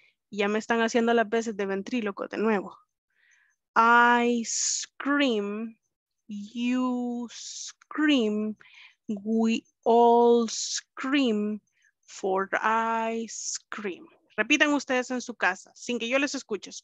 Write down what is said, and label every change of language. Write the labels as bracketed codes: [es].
[es] Ya me están haciendo las veces de ventríloco de nuevo. [en] Ice cream, you scream, we all scream for ice cream. [es] Repitan ustedes en su casa, sin que yo les escuche.